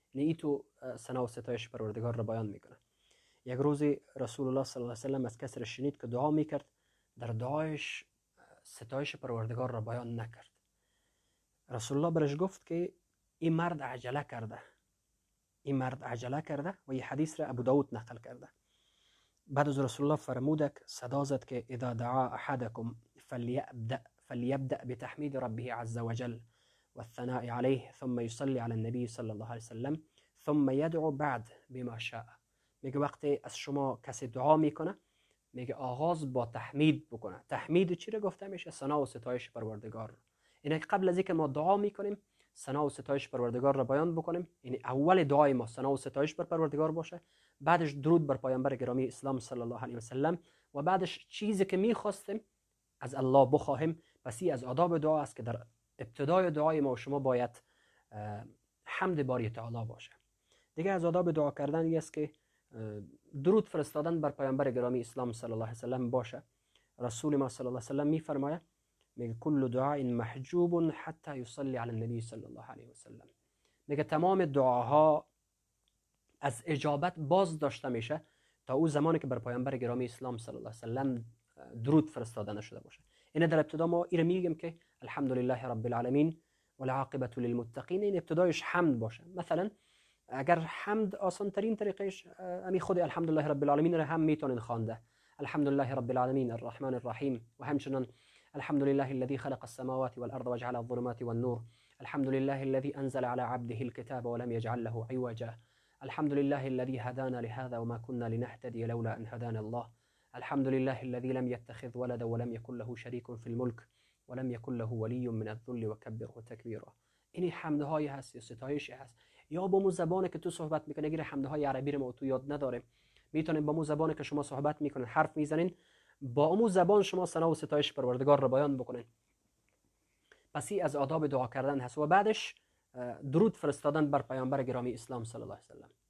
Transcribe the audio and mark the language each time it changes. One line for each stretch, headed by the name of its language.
Persian: یعنی تو ثنا و ستایش پروردگار رو بیان میکنه. یک روزی رسول الله صلی الله علیه و سلم از کسی شنید که دعا میکرد، در دعایش ستایش پروردگار را بیان نکرد. رسول الله برش گفت که این مرد عجله کرده، این مرد عجله کرده، و این حدیث را ابو داود نقل کرده. بعد از رسول الله فرمودک صدا زد که
Arabic: اذا دعا احدكم فليبدأ بتحميد ربه عز وجل والثناء عليه ثم يصلي على النبي صلى الله عليه وسلم ثم يدعو بعد بما شاء.
Persian: میگه وقتی از شما کسی دعا میکنه، میگه آغاز با تحمید بکنه. تحمید چی رو گفته میشه؟ ثنا و ستایش پروردگار. اینه که قبل از اینکه ما دعا میکنیم، ثنا و ستایش پروردگار رو بیان بکنیم. یعنی اول دعای ما ثنا و ستایش بر پروردگار باشه، بعدش درود بر پیامبر گرامی اسلام صلی الله علیه و سلم، و بعدش چیزی که میخواستیم از الله بخواهیم. پس این از آداب دعا است که در ابتدای دعای ما شما باید حمد باری تعالی باشه. دیگه از آداب دعا کردن این است که درود فرستادن بر پیامبر گرامی اسلام صلی الله علیه و سلم باشه. رسول ما صلی الله علیه و سلم میفرماید، میگه
Arabic: کل دعاء محجوب حتی یصلی علی النبی صلی الله علیه و سلم.
Persian: میگه تمام دعاها از اجابت باز داشته میشه تا او زمانی که بر پیامبر گرامی اسلام صلی الله علیه و سلم درود فرستادن شده باشه. این در ابتدا ما اینو میگیم که
Arabic: الحمدلله رب العالمین والعاقبه للمتقین،
Persian: این ابتدایش حمد باشه. مثلا اگر حمد آسان ترین طریقش، امی خود
Arabic: الحمدلله رب العالمین
Persian: را هم میتونین خوانده،
Arabic: الحمدلله رب العالمین الرحمن الرحیم،
Persian: و همچنان
Arabic: الحمدلله الذي خلق السماوات والارض وجعل الظلمات والنور، الحمدلله الذي انزل على عبده الكتاب ولم يجعل له عوجا، الحمدلله الذي هدانا لهذا وما كنا لنهتدي لولا ان هدانا الله، الحمدلله الذي لم يتخذ ولدا ولم يكن له شريك في الملك ولم يكن له ولي من الذل وكبره تكبيرا.
Persian: اني حمد هاي هست يا ستايش هست، یا با مو زبانی که تو صحبت میکنی، اگر حمدهای عربی رو ما تو یاد نداره، میتونیم با مو زبانی که شما صحبت میکنین حرف میزنین، با مو زبان شما ثنا و ستایش پروردگار رو بیان بکنین. پس این از آداب دعا کردن هست، و بعدش درود فرستادن بر پیامبر گرامی اسلام صلی الله علیه و سلم.